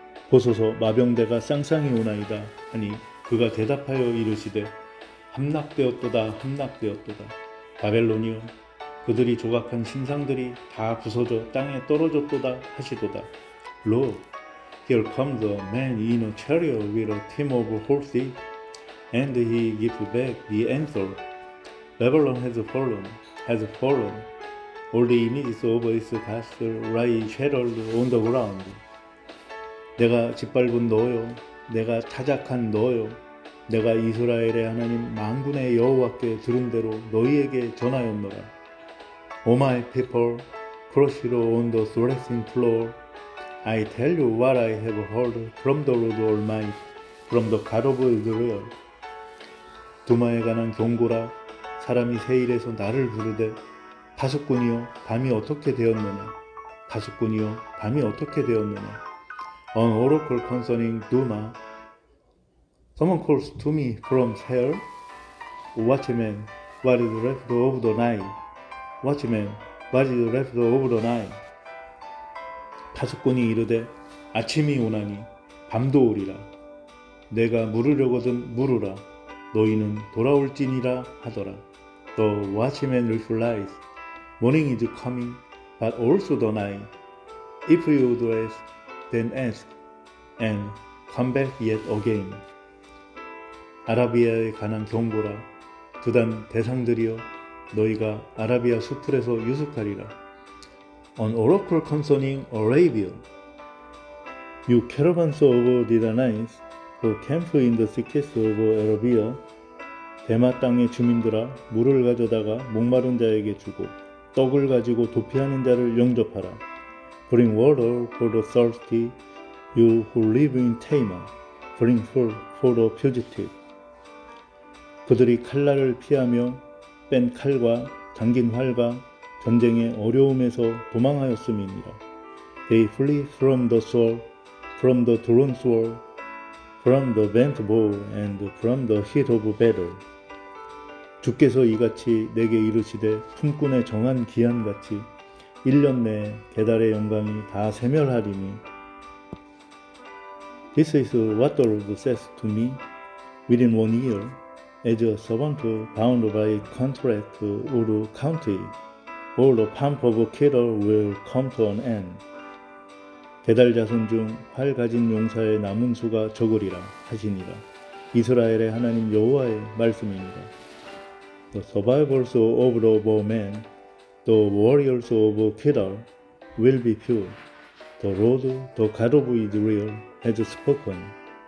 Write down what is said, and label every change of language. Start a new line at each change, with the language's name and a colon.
Korean: 보소서 마병대가 쌍쌍이 오나이다 하니 그가 대답하여 이르시되 함락되었도다 함락되었도다. 바벨론이여 그들이 조각한 신상들이 다 부서져 땅에 떨어졌도다 하시도다.
English: Look, here comes a man in a chariot with a team of horses, and he gives back the answer. Babylon has fallen, all the images of its gods lie shattered on the ground.
Korean: 내가 짓밟은 너요, 내가 타작한 너요, 내가 이스라엘의 하나님 만군의 여호와께 들은 대로 너희에게 전하였노라.
English: O my people, crushed on the threshing floor, I tell you what I have heard from the Lord Almighty, from the God of Israel.
Korean: 두마에 관한 경고라. 사람이 세일에서 나를 부르되 파수꾼이여 밤이 어떻게 되었느냐. 파수꾼이여 밤이 어떻게 되었느냐.
English: An oracle concerning Duma. Someone calls to me from hell. Watchman, what is left of the night? Watchman, what is left of the night?
Korean: 파수꾼이 이르되 아침이 오나니 밤도 오리라. 내가 물으려거든 물으라. 너희는 돌아올지니라 하더라.
English: The watchman replies, Morning is coming, but also the night. If you do ask, then ask. And come back yet again.
Korean: 아라비아에 관한 경고라. 두단 대상들이여 너희가 아라비아 수풀에서 유숙하리라.
English: An oracle concerning Arabia. You caravans of Dedanites who camp in the thickets of Arabia.
Korean: 대마 땅의 주민들아 물을 가져다가 목마른 자에게 주고 떡을 가지고 도피하는 자를 영접하라.
English: Bring water for the thirsty. You who live in Tamar, bring food for the fugitive.
Korean: 그들이 칼날을 피하며 뺀 칼과 당긴 활과 전쟁의 어려움에서 도망하였음이니라.
English: They flee from the sword, from the drawn sword, from the bent bow, and from the heat of battle.
Korean: 주께서 이같이 내게 이르시되 품꾼의 정한 기한같이 1년 내에 게달의 영광이 다 세멸하리니.
English: This is what the Lord says to me. Within 1 year, as a servant bound by contract or country, all the pomp of Kedar will come to an end.
Korean: 게달 자손 중 활 가진 용사의 남은 수가 적으리라 하시니라. 이스라엘의 하나님 여호와의 말씀입니다.
English: The survivors of the bowmen, the warriors of Kedar, will be few. The Lord, the God of Israel, has spoken.